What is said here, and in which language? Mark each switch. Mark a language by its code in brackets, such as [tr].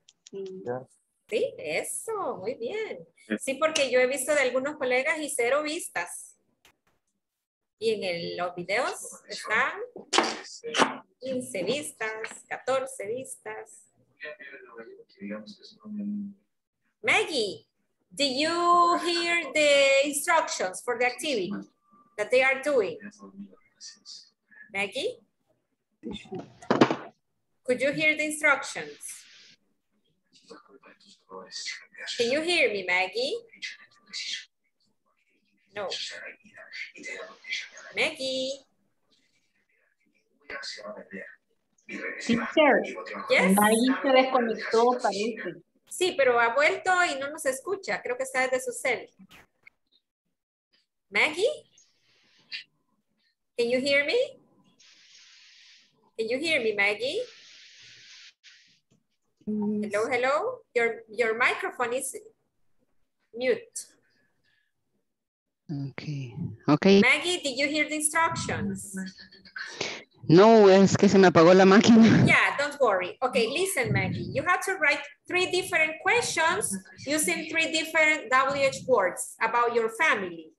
[es] Sí, eso, muy bien. Sí, porque yo he visto de algunos colegas y cero vistas. Y en el, los videos están 15 vistas, 14 vistas. [en] Maggie, do you hear the instructions for the activity that they are doing? Maggie? Could you hear the instructions? Can you hear me, Maggie? No. Maggie. Yes. [es] Maggie se desconectó, parece. Sí, pero ha vuelto y no nos escucha. Creo que está desde su cel. [en] Maggie? Can you hear me? Can you hear me, Maggie? Hello, hello. Your microphone is mute. Okay. Okay. Maggie, did you hear the instructions? [es] No, es que se me apagó la máquina. [en] Yeah, don't worry. Okay, listen, Maggie. You have to write three different questions using three different WH words about your family.